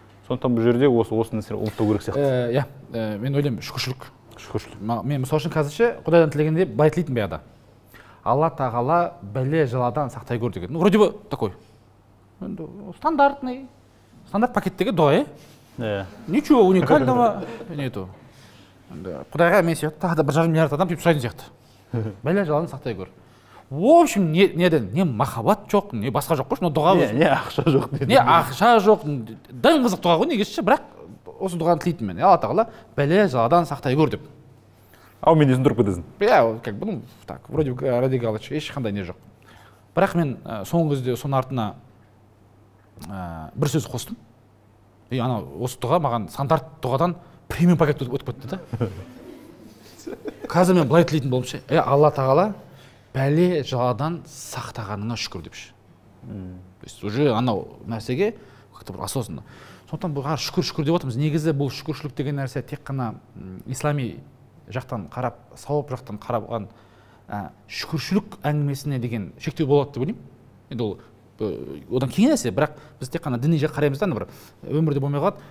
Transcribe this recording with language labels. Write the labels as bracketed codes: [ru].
[kk] Сондықтан бұл жерде осыны сен ұмытпау керек сияқты. Иә, мен ойлаймын, шүкіршілік. Шүкіршілік. Мен мысалы үшін қазірше Құдайдан тілегенде бай тілейтін баяғыда. Алла тағала бәле жаладан сақтай көр деген. [ru] Ну, вроде бы такой. Стандартный. [kk] Стандарт пакеттегі дұға, иә? [ru] Ничего уникального нету. [kk] Құдайға мен сияқты тағы да 1.5 миллиард адам деп сұрайтын сияқты. Бәле жаладан сақтай көр. [ru] В общем, [kk] неден? Не махаббат жоқ, не басқа жоқ қой, но дұға өзі. Не ақша жоқ деді. Не ақша жоқ. Дым қызық дұға ғой, негізі, бірақ осы дұғаны тілейтін мен. Алла тағала бәле жаладан сақтай көр деп. Ау, мен есін тұрып кетесің. [ru] Иә, как бы, так, вроде бы радикал, [kk] ешқандай не жоқ. Бірақ мен соңғы кезде соның артына бір сөз қостым. И анау осы дұға маған стандарт дұғадан премиум пакет өтіп кетті да. Қазір мен былай тілейтін болдым ше. Алла тағала бәле жаладан сақтағаныңа шүкір депші. [ru] То есть уже [kk] анау нәрсеге [ru] как-то бір осознанно. [kk] Сондықтан бұл шүкір деп отырмыз. Негізі бұл шүкіршілік деген нәрсе тек қана ислами жақтан қарап, сауап жақтан қараған шүкіршілік әңгімесіне деген шектеу болады деп ойлаймын. Енді ол одан кейін нәрсе, бірақ біз тек қана діни жақ қараймыз да, бір өмірде болмай қалады.